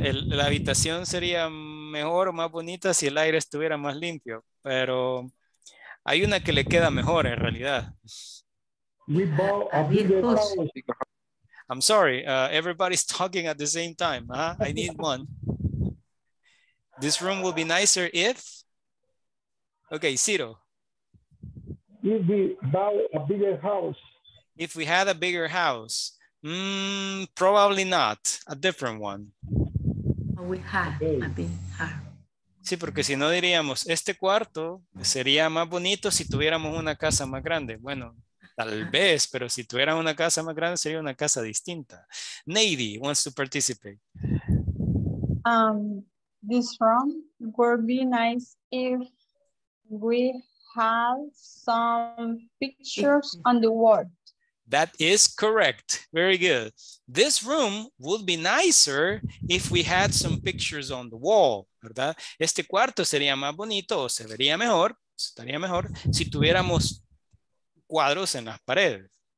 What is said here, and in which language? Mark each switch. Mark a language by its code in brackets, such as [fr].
[es] La habitación sería mejor o más bonita si el aire estuviera más limpio, pero hay una que le queda mejor en realidad. [en] We bought a bigger house. I'm sorry, everybody's talking at the same time. I need one. This room will be nicer if... Okay, Ciro. If we bought a bigger house. If we had a bigger house. Probably not. A different one. We have a bigger house. [es] Sí, porque si no diríamos, este cuarto sería más bonito si tuviéramos una casa más grande. Bueno, tal vez, pero si tuviera una casa más grande sería una casa distinta. [en] Nady wants to participate. This room would be nice if we had some pictures on the wall. That is correct. Very good. This room would be nicer if we had some pictures on the wall. [es] ¿Verdad? Este cuarto sería más bonito, o se vería mejor, estaría mejor si tuviéramos cuadros en las paredes.